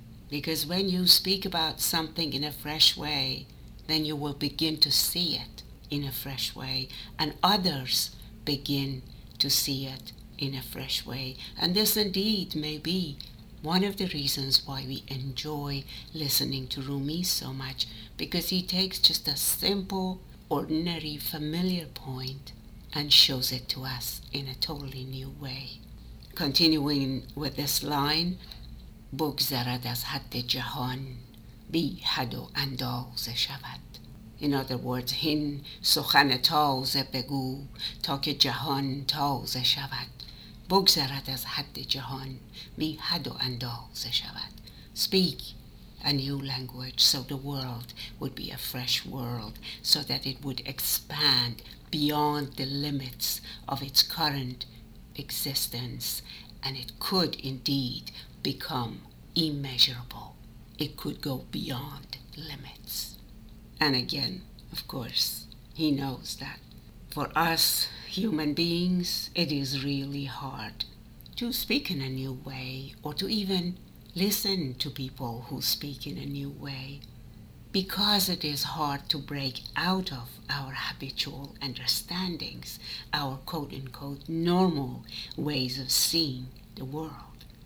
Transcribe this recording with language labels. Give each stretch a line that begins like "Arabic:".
English: Because when you speak about something in a fresh way, then you will begin to see it in a fresh way, and others begin to see it in a fresh way. And this indeed may be one of the reasons why we enjoy listening to Rumi so much, because he takes just a simple, ordinary, familiar point and shows it to us in a totally new way. Continuing with this line,
Persian: بگذرد از حد جهان بی حد و اندازه شود.
English: In other words,
Persian: هین سخن تازه بگو تا که جهان تازه شود. بگذرد از حد جهان بی حد و اندازه شود.
English: Speak a new language so the world would be a fresh world, so that it would expand beyond the limits of its current existence, and it could indeed become immeasurable. It could go beyond limits. And again, of course, he knows that for us human beings, it is really hard to speak in a new way, or to even listen to people who speak in a new way, because it is hard to break out of our habitual understandings, our quote-unquote normal ways of seeing the world.